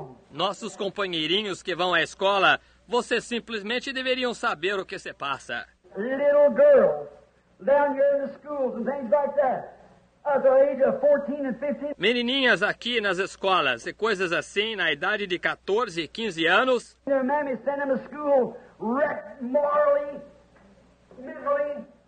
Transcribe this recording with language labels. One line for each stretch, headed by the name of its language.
Portuguese: Nossos companheirinhos que vão à escola, vocês simplesmente deveriam saber o que se passa.
English: Little girls down here in the schools and things like that. At the age of 14 and 15.
Portuguese: Menininhas aqui nas escolas e coisas assim na idade de 14 e 15 anos.
English: Their mammy sent them to school wrecked morally, mentally.